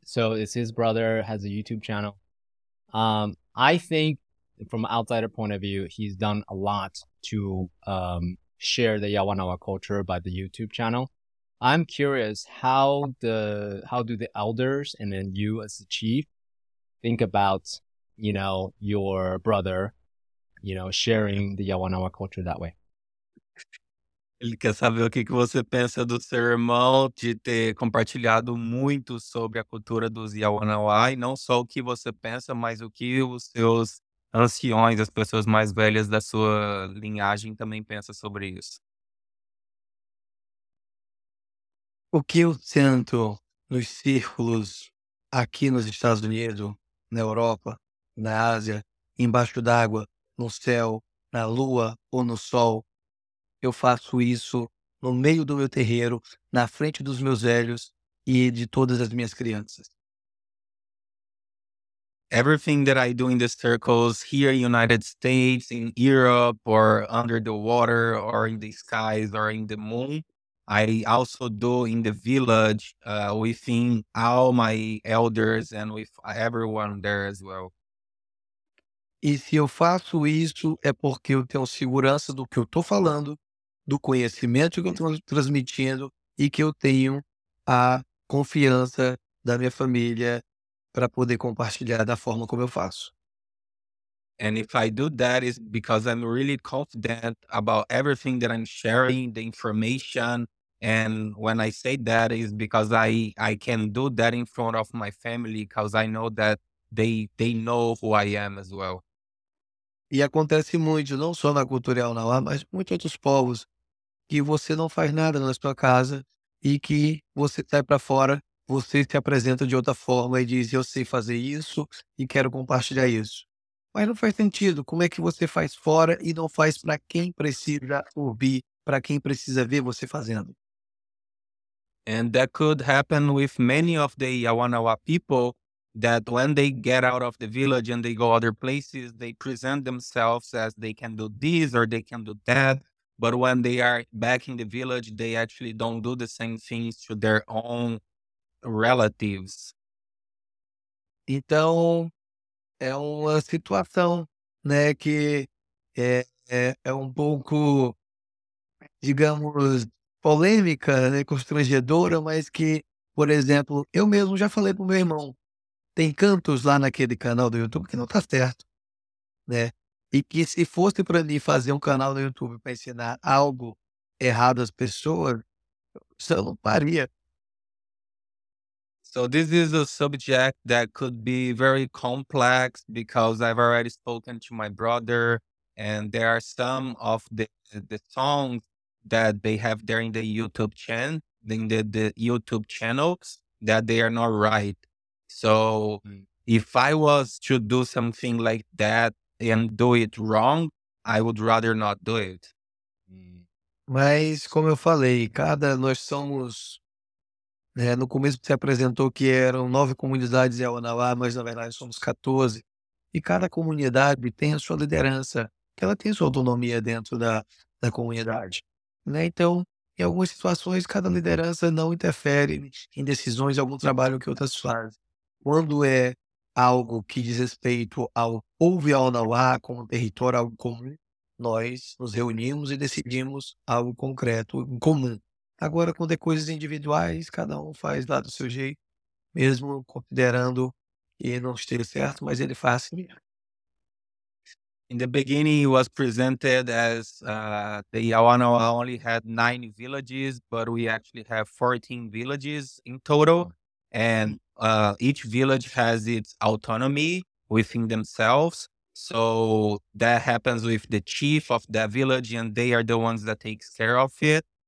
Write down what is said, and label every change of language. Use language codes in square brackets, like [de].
[en] So it's his brother, has a YouTube channel. I think from an outsider point of view, he's done a lot to share the Yawanawa culture by the YouTube channel. I'm curious, how do the elders and then you as the chief think about, you know, your brother, you know, sharing the Yawanawa culture that way? [pt] Ele quer saber o que você pensa do seu irmão de ter compartilhado muito sobre a cultura dos Yawanawa, e não só o que você pensa, mas o que os seus anciões, as pessoas mais velhas da sua linhagem também pensam sobre isso. O que eu sinto nos círculos aqui nos Estados Unidos, na Europa, na Ásia, embaixo d'água, no céu, na lua ou no sol, eu faço isso no meio do meu terreiro, na frente dos meus velhos e de todas as minhas crianças. [en] Everything that I do in the circles here in the United States, in Europe, or under the water, or in the skies, or in the moon, I also do in the village within all my elders and with everyone there as well. [pt] E se eu faço isso é porque eu tenho segurança do que eu estou falando, do conhecimento que eu estou transmitindo e que eu tenho a confiança da minha família para poder compartilhar da forma como eu faço. [en] And if I do that, it's because I'm really confident about everything that I'm sharing, the information. And when I say that, it's because I can do that in front of my family, because I know that they know who I am as well. [pt] E acontece muito, não só na cultura Yawanawa, mas muitos outros povos, que você não faz nada na sua casa e que você sai para fora, você se apresenta de outra forma e diz, eu sei fazer isso e quero compartilhar isso. Mas não faz sentido, como é que você faz fora e não faz para quem precisa ouvir, para quem precisa ver você fazendo? [en] And that could happen with many of the Yawanawa people, that when they get out of the village and they go other places, they present themselves as they can do this or they can do that. But when they are back in the village, they actually don't do the same things to their own relatives. [pt] Então, é uma situação, né, que é um pouco, digamos, polêmica, né, constrangedora, mas que, por exemplo, eu mesmo já falei pro meu irmão, tem cantos lá naquele canal do YouTube que não tá certo, né? E que se fosse para mim fazer um canal no YouTube para ensinar algo errado às pessoas, isso eu não faria. [en] So this is a subject that could be very complex because I've already spoken to my brother and there are some of the songs that they have there in the YouTube channel, in the YouTube channels that they are not right. So if I was to do something like that and do it wrong, I would rather not do it. [pt] Mas como eu falei, cada nós somos... É, no começo você apresentou que eram 9 comunidades em Yawanawa, mas na verdade somos 14. E cada comunidade tem a sua liderança, que ela tem sua autonomia dentro da comunidade. Né? Então, em algumas situações, cada liderança não interfere em decisões de algum trabalho que outras fazem. Quando é algo que diz respeito ao povo Yawanawa como território, algo comum, nós nos reunimos e decidimos algo concreto, em comum. Agora, quando é coisas individuais, cada um faz lá do seu jeito, mesmo considerando que não esteja certo, mas ele faz assim mesmo. [en] In the beginning, it was presented as the Yawanawa only had 9 villages, but we actually have 14 villages in total. And each village has its autonomy within themselves. So that happens with the chief of that village, and they are the ones that take care of it.